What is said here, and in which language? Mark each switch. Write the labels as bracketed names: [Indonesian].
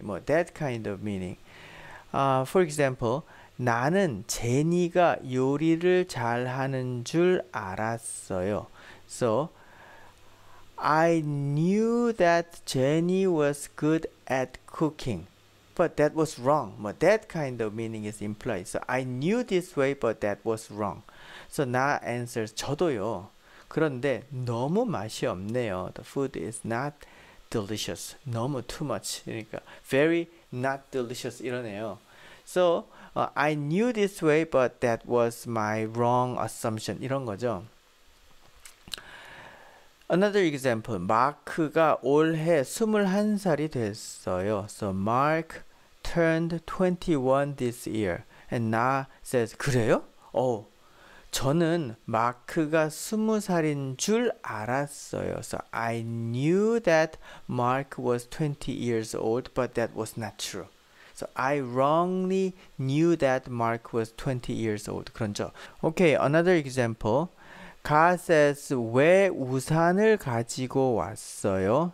[English] But that kind of meaning. For example, [Korean] 나는 제니가 요리를 잘하는 줄 알았어요. [English] So I knew that Jenny was good at cooking, but that was wrong. But that kind of meaning is implied. So I knew this way, but that was wrong. So now answers [Korean] 저도요. 그런데 너무 맛이 없네요. [English] The food is not delicious. [Korean] 너무 [English] too much. [Korean] 그러니까 [English] very not delicious [Korean] 이러네요. [English] So I knew this way, but that was my wrong assumption. [Korean] 이런 거죠. [English] Another example, [Korean] 마크가 올해 21살이 됐어요. [English] So Mark turned 21 this year. And 나 says, [Korean] 그래요? 어, 저는 마크가 20살인 줄 알았어요. [English] So I knew that Mark was 20 years old, but that was not true. So I wrongly knew that Mark was 20 years old. [Korean] 그런죠. [English] Okay, another example. [Korean] 가 [English] says, [Korean] 왜 우산을 가지고 왔어요?